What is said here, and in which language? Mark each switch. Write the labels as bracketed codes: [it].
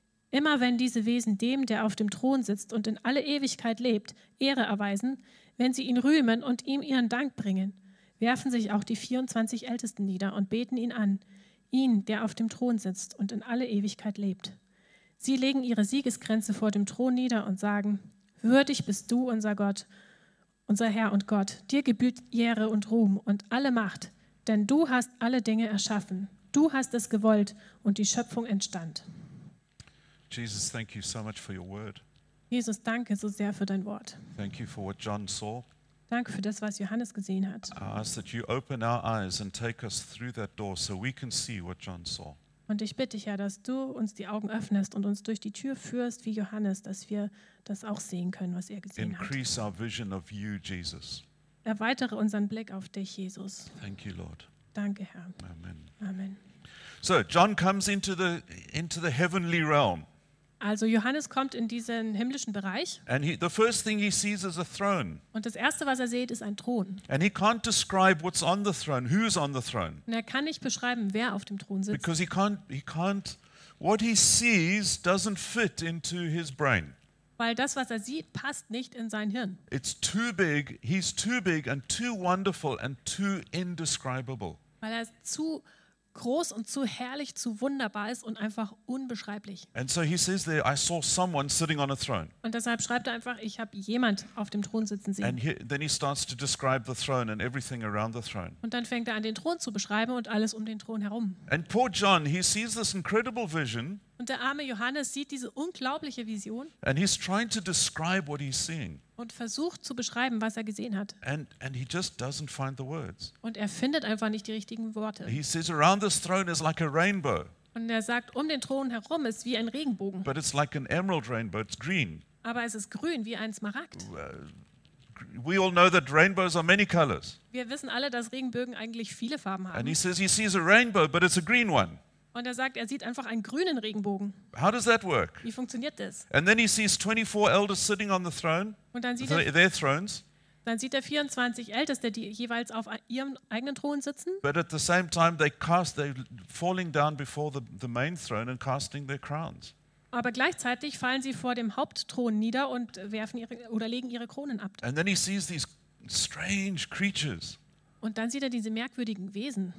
[de] Immer wenn diese Wesen dem, der auf dem Thron sitzt und in alle Ewigkeit lebt, Ehre erweisen, wenn sie ihn rühmen und ihm ihren Dank bringen, werfen sich auch die 24 Ältesten nieder und beten ihn an, ihn, der auf dem Thron sitzt und in alle Ewigkeit lebt. Sie legen ihre Siegeskränze vor dem Thron nieder und sagen, würdig bist du, unser Gott, unser Herr und Gott, dir gebührt Ehre und Ruhm und alle Macht, denn du hast alle Dinge erschaffen. Du hast es gewollt und die Schöpfung entstand. [en] Jesus, thank you so much for your word. [de] Jesus, danke so sehr für dein Wort. [en] Thank you for what John saw. [de] Danke für das, was Johannes gesehen hat. [en] I ask that you open our eyes and take us through that door so we can see what John saw. [de] Und ich bitte dich, Herr, dass du uns die Augen öffnest und uns durch die Tür führst wie Johannes, dass wir das auch sehen können, was er gesehen [en] Increase [de] hat. [en] Our vision of you, Jesus. [de] Erweitere unseren Blick auf dich, Jesus. [en] Thank you, Lord. [de] Danke, Herr. [en] Amen. [de] Amen. [en] So John comes into the heavenly realm. [de] Also Johannes kommt in diesen himmlischen Bereich. [en] And the first thing he sees is a throne. [de] Und das erste, was er sieht, ist ein Thron. [en] And he can't describe what's on the throne, who's on the throne. [de] Und er kann nicht beschreiben, wer auf dem Thron sitzt. [en] Because he can't what he sees doesn't fit into his brain. [de] Weil das, was er sieht, passt nicht in sein Hirn. [en] It's too big. He's too big and too wonderful and too indescribable. [de] Weil er zu groß und zu herrlich, zu wunderbar ist und einfach unbeschreiblich. [en] And so he says there, I saw someone sitting on a throne. [de] Und deshalb schreibt er einfach, ich habe jemand auf dem Thron sitzen sehen. [en] And he, then he starts to describe the throne and everything around the throne. [de] Und dann fängt er an, den Thron zu beschreiben und alles um den Thron herum. [en] And poor John, he sees this incredible vision. [de] Und der arme Johannes sieht diese unglaubliche Vision. [en] And he's trying to describe what he's seeing. [de] Und versucht zu beschreiben, was er gesehen hat. [en] And he just doesn't find the words. [de] Und er findet einfach nicht die richtigen Worte. [en] He says, around this throne is like a rainbow. [de] Und er sagt, um den Thron herum ist wie ein Regenbogen. [en] But it's like an emerald rainbow, it's green. [de] Aber es ist grün wie ein Smaragd. [en] We all know that rainbows are many colors. [de] Wir wissen alle, dass Regenbögen eigentlich viele Farben haben. [en] And he says he sees a rainbow, but it's a green one. [de] Und er sagt, er sieht einfach einen grünen Regenbogen. [en] How does that work? [de] Wie funktioniert das? [en] And then he sees 24 elders sitting on the throne. [de] Und dann sieht er [en] their thrones. [de] Dann sieht er 24 Älteste, die jeweils auf ihrem eigenen Thron sitzen. [en] But at the same time they cast, they falling down before the main throne and casting their crowns. [de] Aber gleichzeitig fallen sie vor dem Hauptthron nieder und werfen ihre oder legen ihre Kronen ab. [en] And then he sees these strange creatures. [de] Und dann sieht er diese merkwürdigen Wesen.